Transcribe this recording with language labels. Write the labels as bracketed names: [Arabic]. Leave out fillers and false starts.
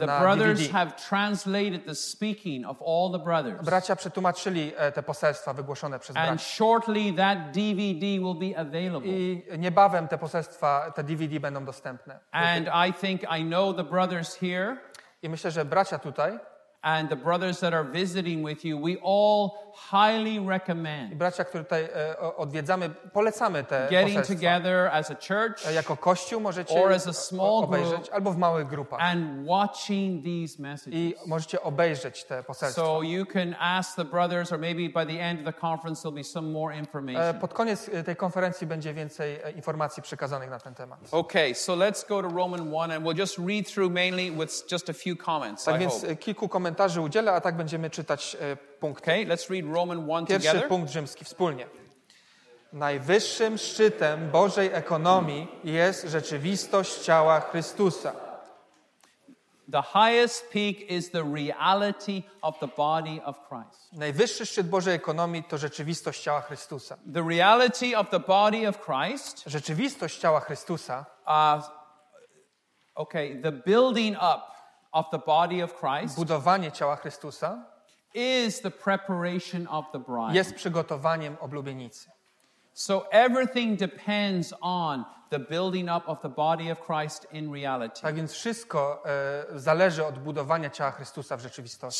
[English] the [Polish] na DVD. [English] Brothers have translated the speaking of all the brothers. [Polish] Bracia przetłumaczyli te poselstwa wygłoszone przez [English] and [Polish] braci. [English] Shortly that DVD will be available. [Polish] I niebawem te poselstwa, te DVD będą dostępne. [English] And I think I know the brothers here. [Polish] I myślę, że bracia tutaj. [English] And the brothers that are visiting with you, we all highly recommend. [Polish] Bracia, które tutaj odwiedzamy, polecamy te poselstwa. [English] Getting together as a church, [Polish] jako kościół możecie [English] or as a small [Polish] obejrzeć, [English] group, [Polish] albo w małych grupach. [English] And watching these messages. [Polish] I możecie obejrzeć te poselstwa. [English] So you can ask the brothers, or maybe by the end of the conference there'll be some more information. [Polish] Pod koniec tej konferencji będzie więcej informacji przekazanych na ten temat. [English] Okay, so let's go to Roman 1, and we'll just read through mainly with just a few comments. [Polish] Tak [English] I [Polish] więc [English] hope. [Polish] Kilku komentarzy udzielę, a tak będziemy czytać punkty. [English] Okay, let's read Roman 1 together. [Polish] Pierwszy punkt rzymski, wspólnie. Najwyższym szczytem Bożej ekonomii jest rzeczywistość ciała Chrystusa. [English] The highest peak is the reality of the body of Christ. [Polish] Najwyższy szczyt Bożej ekonomii to rzeczywistość ciała Chrystusa. [English] The reality of the body of Christ. [Polish] Rzeczywistość ciała Chrystusa. [English] Okay, the building up of the body of Christ. [Polish] Budowanie ciała Chrystusa [English] is the preparation of the bride. [Polish] Jest przygotowaniem oblubienicy. [English] So everything depends on the building up of the body of Christ in reality. [Polish] Tak więc wszystko zależy od budowania ciała Chrystusa w rzeczywistości.